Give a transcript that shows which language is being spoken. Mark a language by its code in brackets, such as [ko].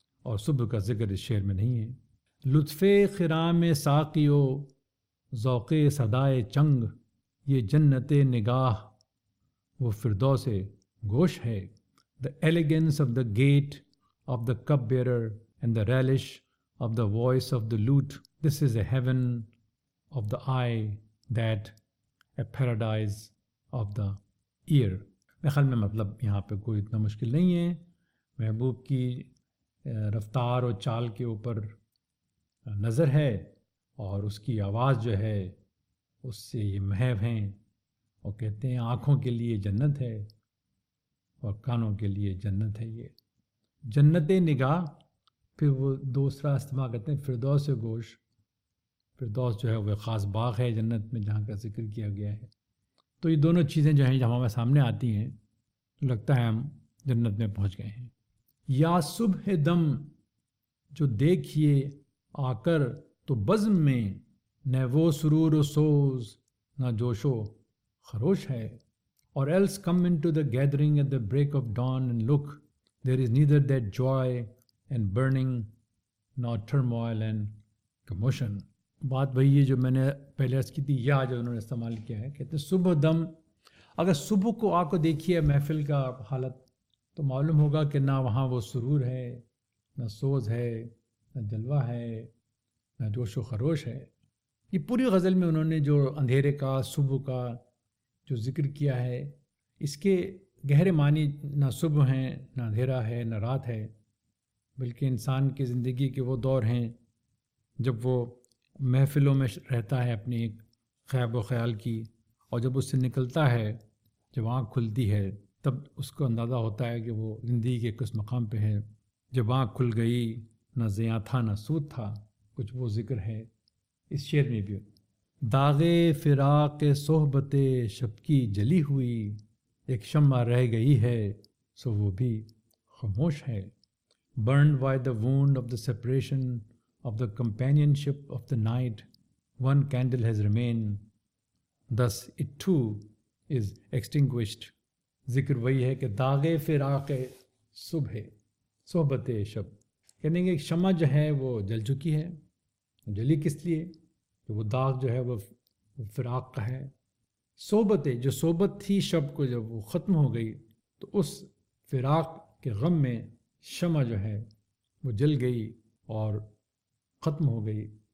[ur] اور صبح کا ذکر اس شعر میں نہیں ہے۔ لطف خرام ساقی و ذوق صدائے چنگ، یہ جنت نگاہ وہ فردوس گوش ہے۔ [en] The elegance of the gait of the cup bearer and the relish of the voice of the lute. This is a heaven of the eye, that a paradise of the ear. [ur] میرے خیال میں مطلب یہاں پہ کوئی اتنا مشکل نہیں ہے. محبوب کی رفتار اور چال کے اوپر نظر ہے اور اس کی آواز جو ہے اس سے یہ محو ہیں. وہ کہتے ہیں آنکھوں کے لیے جنت ہے اور کانوں کے لیے جنت ہے. یہ جنت نگاہ, پھر وہ دوسرا استماع کرتے ہیں فردوس گوش. فردوس جو ہے وہ خاص باغ ہے جنت میں جہاں کا ذکر کیا گیا ہے. تو یہ دونوں چیزیں جو ہیں جہاں ہمارے سامنے آتی ہیں تو لگتا ہے ہم جنت میں پہنچ گئے ہیں. یا صبح دم جو دیکھیے آ کر تو بزم میں, نہ وہ سرور و سوز نہ جوش و خروش ہے. [en] اور else come into the gathering at the break of dawn and look, there is neither that joy and burning nor turmoil and commotion. [ur] بات وہی ہے جو میں نے پہلے عرض کی تھی, یا جو انہوں نے استعمال کیا ہے. کہتے ہیں صبح دم, اگر صبح کو آ کو دیکھیے محفل کا حالت تو معلوم ہوگا کہ نہ وہاں وہ سرور ہے, نہ سوز ہے, نہ جلوہ ہے, نہ جوش و خروش ہے. یہ پوری غزل میں انہوں نے جو اندھیرے کا صبح کا جو ذکر کیا ہے اس کے گہرے معنی نہ صبح ہیں, نہ اندھیرا ہے, نہ رات ہے, بلکہ انسان کی زندگی کے وہ دور ہیں جب وہ محفلوں میں رہتا ہے اپنی ایک خواب و خیال کی, اور جب اس سے نکلتا ہے, جب آنکھ کھلتی ہے تب اس کو اندازہ ہوتا ہے کہ وہ زندگی کے کس مقام پہ ہے. جب آنکھ کھل گئی نہ زیاں تھا نہ سود تھا, کچھ وہ ذکر ہے اس شعر میں بھی. داغے فراق صحبت شب کی جلی ہوئی, ایک شمع رہ گئی ہے سو وہ بھی خاموش ہے. [en] Burn by the wound of the separation of the companionship of the night, one candle has remain, this it too is extinguished. [ur] ذکر وہی ہے کہ داغے فراق صبح صحبت شب, کہنے گے ایک شمع جو ہے وہ جل چکی ہے. جلی کس لیے؟ کہ وہ داغ جو ہے وہ فراق کا ہے. صحبت جو صحبت تھی شب کو جب وہ ختم ہو گئی تو اس فراق کے غم میں شمع جو ہے وہ جل گئی اور ختم ہو گئی.